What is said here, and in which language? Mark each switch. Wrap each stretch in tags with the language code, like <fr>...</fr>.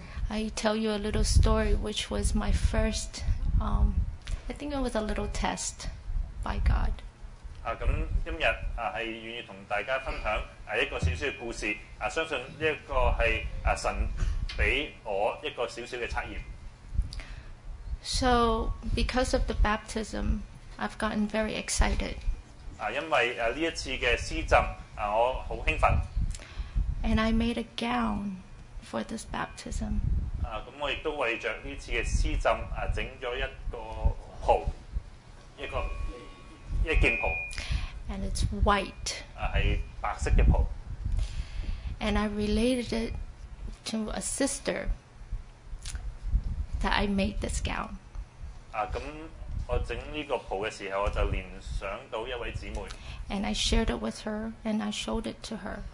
<en>I tell you a little story, which was my first, I think it was a little test by God.</en> <yue>咁今日係願意同大家分享一個小小嘅故事，相信呢一個係神俾我一個小小嘅測驗。</yue> <en>So, because of the baptism, I've gotten very excited.</en> <yue>因為呢一次嘅施浸，我好興奮。</yue> <en>And I made a gown for this baptism.</en> <yue>咁我亦都為著呢次嘅施浸整咗一個袍，一件袍。</yue> <en>And it's white.</en> <yue>係白色嘅袍。</yue> <en>And I related it to a sister that I made this gown.</en> <yue>咁我整呢個袍嘅時候，我就聯想到一位姊妹。</yue> <en>And I shared it with her, and I showed it to her.</en>